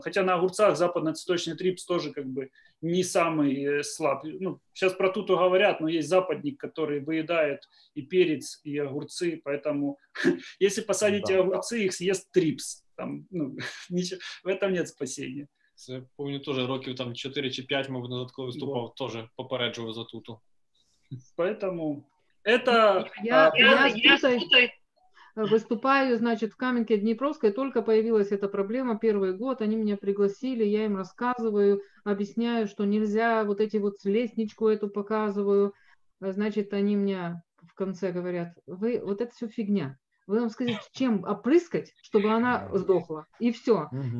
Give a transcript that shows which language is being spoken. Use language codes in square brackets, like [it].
[ru] Хотя на огурцах западноцветочный трипс тоже как бы не самый слабый. Ну, сейчас про Туту говорят, но есть западник, который выедает и перец, и огурцы. Поэтому если посадите огурцы, их съест трипс. Там, ну, в этом нет спасения. [uk] Це, помню, теж років там 4 чи 5, мабуть, назад, коли виступав, теж попереджував за Туту. [ru] Поэтому... Это... Я выступаю, значит, в Каменке Днепровской, только появилась эта проблема первый год, они меня пригласили, я им рассказываю, объясняю, что нельзя, вот эти вот лестничку эту показываю, значит, они мне в конце говорят, вы, вот это все фигня, вы нам скажите, чем опрыскать, чтобы она сдохла, и все. Угу.